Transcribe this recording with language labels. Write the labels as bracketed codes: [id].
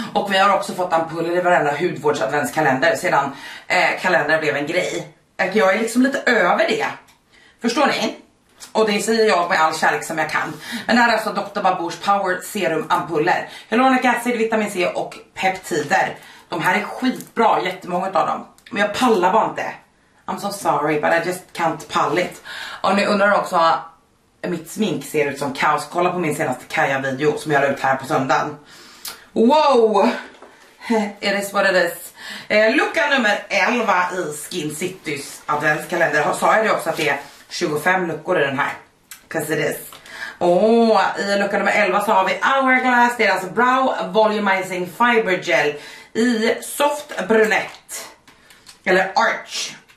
[sv] Och vi har också fått ampuller i varenda hudvårdsadventskalender sedan kalendern blev en grej. Jag är liksom lite över det. Förstår ni? Och det säger jag med all kärlek som jag kan. Men det här är alltså Dr. Babors Power Serum ampuller. Hyaluronic acid, vitamin C och peptider. De här är skitbra, jättemånga av dem. Men jag pallar bara inte. [en] I'm so sorry, but I just can't pall it. [sv] Och ni undrar också, mitt smink ser ut som kaos. Kolla på min senaste Kaja-video som jag la ut här på söndagen. Wow! [en] It is what it is. [sv] Lucka nummer 11 i Skin Citys adventskalender. Sa jag det också att det är 25 luckor i den här? [en] 'Cause it is. [sv] Åh, i lucka nummer 11 så har vi Hourglass, deras Brow Volumizing Fiber Gel i Soft Brunette. Eller Arch.